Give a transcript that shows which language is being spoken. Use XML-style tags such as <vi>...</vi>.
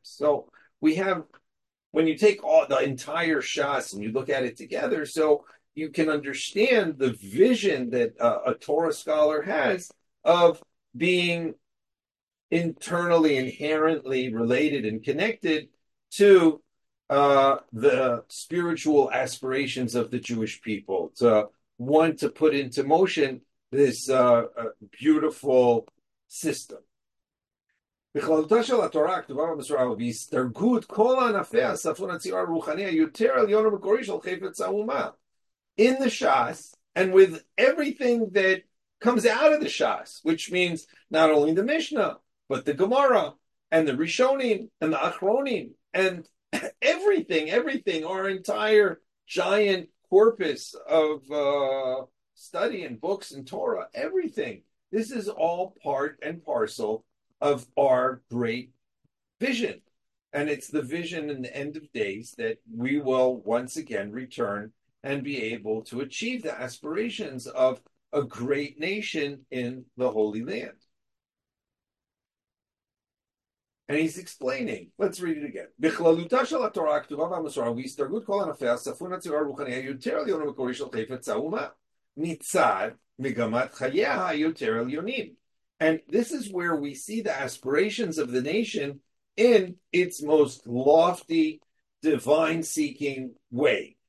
<en>So we have, when you take all the entire Shas and you look at it together, so you can understand the vision that a Torah scholar has of being internally, inherently related and connected to the spiritual aspirations of the Jewish people, to want to put into motion this beautiful system.</en> <he>בכללותה של התורה הכתובה במסורה ובהסתרגות כל ענפי הספרון הציור הרוחני היותר עליון ומקורי של חפץ האומה.</he> <en>In the Shas, and with everything that comes out of the Shas, which means not only the Mishnah, but the Gemara, and the Rishonim, and the Achronim, and everything, our entire giant corpus of study and books and Torah, everything. This is all part and parcel of our great vision. And it's the vision in the end of days that we will once again return and be able to achieve the aspirations of a great nation in the Holy Land. And he's explaining. Let's read it again.</en> <he>בכללותה של התורה הכתובה והמסורה והסתרגות כל ענפי הספרון הציור הרוחני היותר עליון המקורי של חפץ האומה. מצד מגמת חייה היותר עליונים.</he> <en>And this is where we see the aspirations of the nation in its most lofty, divine-seeking way.</en>